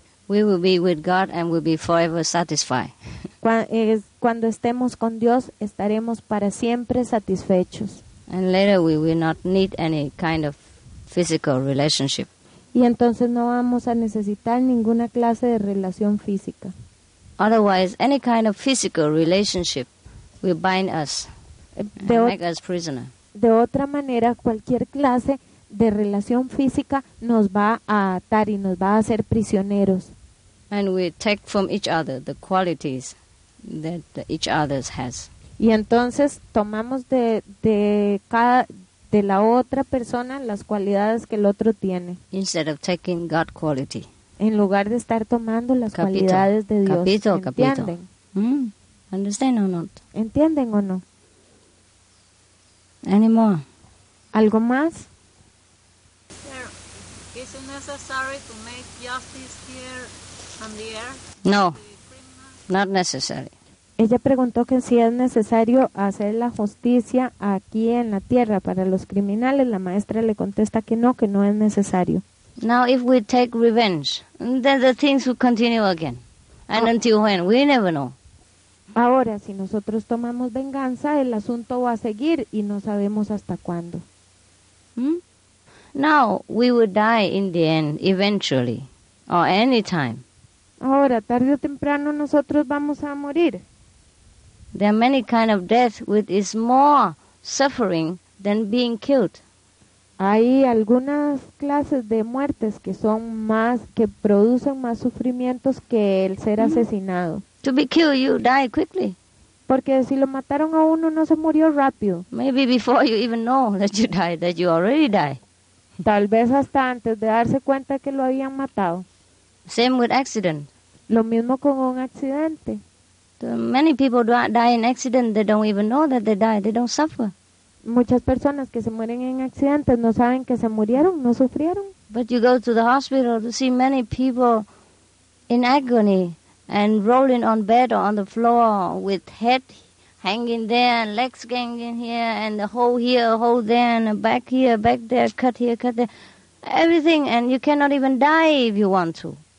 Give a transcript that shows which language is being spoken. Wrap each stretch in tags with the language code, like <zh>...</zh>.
<en>We will be with God and we'll be forever satisfied.</en> <es>Cuando estemos con Dios, estaremos para siempre satisfechos.</es> <en>And later we will not need any kind of physical relationship.</en> <es>Y entonces no vamos a necesitar ninguna clase de relación física.</es> <en>Otherwise, any kind of physical relationship will bind us and make us prisoner.</en> <es>De otra manera, cualquier clase de relación física nos va a atar y nos va a hacer prisioneros.</es> <en>And we take from each other the qualities that each other has.</en> <es>Y entonces tomamos de la otra persona las cualidades que el otro tiene.</es> <en>Instead of taking God quality.</en> <es>En lugar de estar tomando las cualidades de Dios.</es> <it>Capito,</it> <es>¿entienden?</es> <en>Understand or not?</en> <es>¿Entienden o no?</es> <en>Any more?</en> <es>¿Algo más?</es> <en>Here, is it necessary to make justice here on the earth? No, not necessary.</en> <es>Ella preguntó que si es necesario hacer la justicia aquí en la tierra para los criminales. La maestra le contesta que no es necesario.</es> <en>Now if we take revenge, then the things will continue again. And until when, we never know.</en> <es>Ahora, si nosotros tomamos venganza, el asunto va a seguir y no sabemos hasta cuándo.</es> <en>Now we will die in the end, eventually, or any time.</en> <es>Ahora, tarde o temprano, nosotros vamos a morir.</es> <en>There are many kind of death which is more suffering than being killed.</en> <es>Hay algunas clases de muertes que son más, que producen más sufrimientos que el ser asesinado.</es> <en>To be killed, you die quickly.</en> <es>Porque si lo mataron a uno, no se murió rápido.</es> <en>Maybe before you even know that you die, that you already die.</en> <es>Tal vez hasta antes de darse cuenta que lo habían matado.</es> <en>Same with accident.</en> <es>Lo mismo con un accidente.</es> <en>Many people die in accident. They don't even know that they die. They don't suffer.</en> <es>Muchas personas que se mueren en accidentes no saben que se murieron, no sufrieron.</es> <en>But you go to the hospital to see many people in agony and rolling on bed or on the floor with head hanging there and legs hanging here and the hole here, hole there and back here, back there, cut here, cut there. Everything, and you cannot even die if you want to.</en>